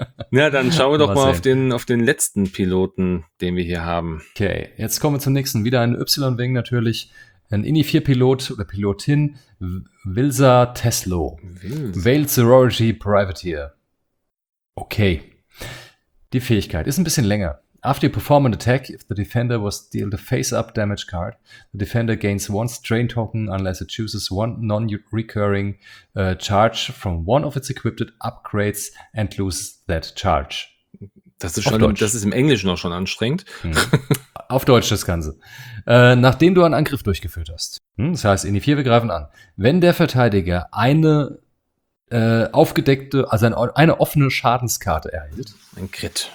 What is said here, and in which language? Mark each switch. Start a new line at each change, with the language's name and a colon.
German: Ja, dann schauen wir doch mal auf den letzten Piloten, den wir hier haben. Okay, jetzt kommen wir zum nächsten. Wieder ein Y-Wing natürlich. Ein INI-4-Pilot oder Pilotin, Vilsa Teslo.
English: Veiled Sorority Privateer. Okay.
German: Die Fähigkeit ist ein bisschen länger.
English: After you perform an attack, if the defender was dealt a face-up damage card, the defender gains one strain token unless it chooses one non-recurring charge from one of its equipped upgrades and loses that charge.
German: Das ist schon, das ist im Englischen auch schon anstrengend. Hm. Auf Deutsch das Ganze. Nachdem du einen Angriff durchgeführt hast, das heißt, in die vier, wir greifen an. Wenn der Verteidiger eine aufgedeckte, also eine offene Schadenskarte erhält, ein Crit,